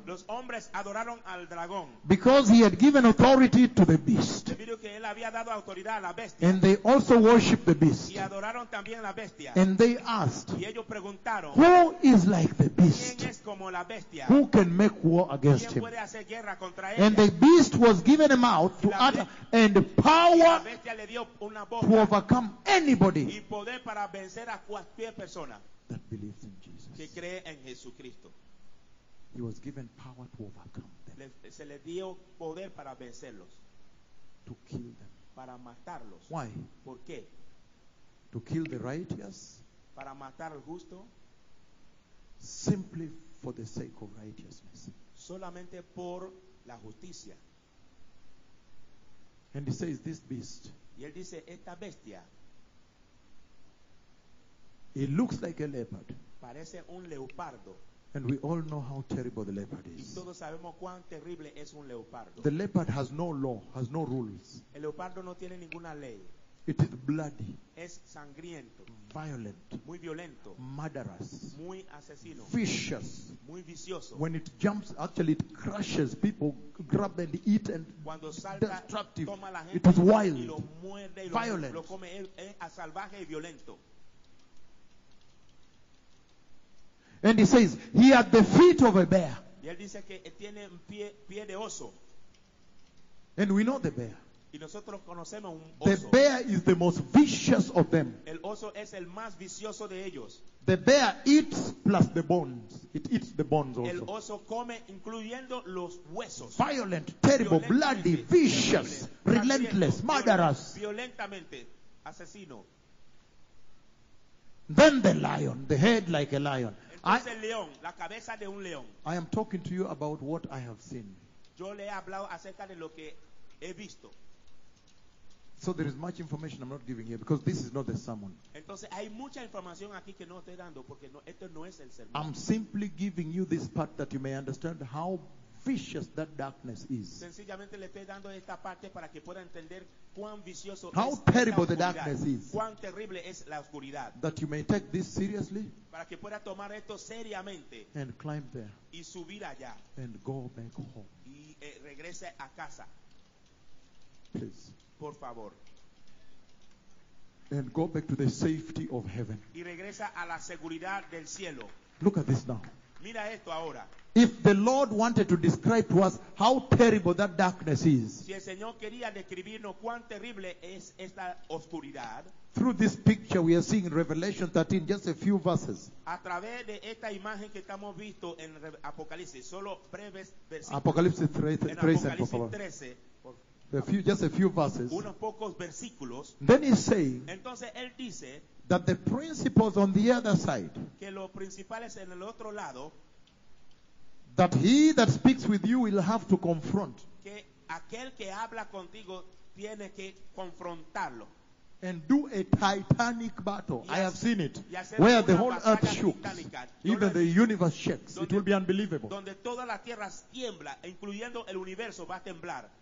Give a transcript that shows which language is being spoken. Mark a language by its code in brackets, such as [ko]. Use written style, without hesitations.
[es] Los hombres adoraron al dragón. [en] Because he had given authority to the beast. [es] Debido que él había dado autoridad a la bestia. [en] And they also worship the beast. [es] Y adoraron también a la bestia. [en] And they asked. [es] Y ellos preguntaron. [en] Who is like the beast? [es] ¿Quién es como la bestia? [en] Who can make war against [es] ¿quién [en] him? [es] Puede hacer guerra contra ella? [en] And the beast was given a mouth to utter and power [es] y la bestia le dio una boca [en] to overcome anybody. [es] Y poder para vencer a cualquier persona. [en] That believes in Jesus. [es] Que cree en Jesucristo. [en] He was given power to overcome them. [es] Se le dio poder para vencerlos. [en] To kill them. [es] Para matarlos. [en] Why? [es] ¿Por qué? [en] To kill the righteous. [es] Para matar al justo. [en] Simply for the sake of righteousness. [es] Solamente por la justicia. [en] And he says this beast. [es] Y él dice esta bestia. [en] It looks like a leopard. [es] Parece un leopardo. [en] And we all know how terrible the leopard is. [es] Y todos sabemos cuán terrible es un leopardo. [en] The leopard has no law, has no rules. [es] El leopardo no tiene ninguna ley. [en] It is bloody. [es] Es sangriento. [en] Violent. [es] Muy violento. [en] Murderous. [es] Muy asesino. [en] Vicious. [es] Muy vicioso. [en] When it jumps, actually it crushes people, grab and eat and [es] cuando salta, [en] destructive. [es] Toma la gente, [en] it is wild. [es] Y lo muerde, y [en] violent. [es] Lo come, es salvaje y violento. [en] And he says, he had the feet of a bear. [es] Y él dice que tiene pie de oso. [en] And we know the bear. [es] Y nosotros conocemos un oso. [en] The bear is the most vicious of them. [es] El oso es el más vicioso de ellos. [en] The bear eats plus the bones. It eats the bones also. [es] El oso come incluyendo los huesos. [en] Violent, terrible, bloody, vicious, relentless, murderous. [es] Violentamente, asesino. [en] Then the lion, the head like a lion. [es] León, la cabeza de un león. [en] I am talking to you about what I have seen. [es] Yo le he hablado acerca de lo que he visto. [en] So there is much information I'm not giving here because this is not the sermon. [es] Entonces hay mucha información aquí que no estoy dando porque no, esto no es el sermón. [en] I'm simply giving you this part that you may understand how vicious that darkness is. [es] Sencillamente le estoy dando esta parte para que pueda entender cuán vicioso [en] es. How terrible the darkness is. [es] Cuán terrible es la oscuridad. [en] That you may take this seriously. [es] Para que pueda tomar esto seriamente. [en] And climb there. [es] Y subir allá. [en] And go back home. [es] Y regrese a casa. [en] Please. [es] Por favor. [en] And go back to the safety of heaven. [es] Y regresa a la seguridad del cielo. [en] Look at this now. [es] Mira esto ahora. [en] If the Lord wanted to describe to us how terrible that darkness is, [es] si el Señor quería describirnos cuán terrible es esta oscuridad, [en] through this picture we are seeing in Revelation 13, just a few verses. [es] A través de esta imagen que estamos visto en Apocalipsis, solo breves versículos. [en] Apocalipsis 13. Just a few verses. [es] Unos pocos versículos. [en] Then he's saying. [es] Entonces él dice. [en] That the principles on the other side. [es] Que los principales en el otro lado. [en] That he that speaks with you will have to confront. [es] Que aquel que habla contigo tiene que confrontarlo. [en] And do a titanic battle. Yes. I have seen it. Where the whole earth shook. Even the universe shakes. [es] Donde, [en] it will be unbelievable. [es] Donde toda la tierra tiembla, incluyendo el universo, va a temblar.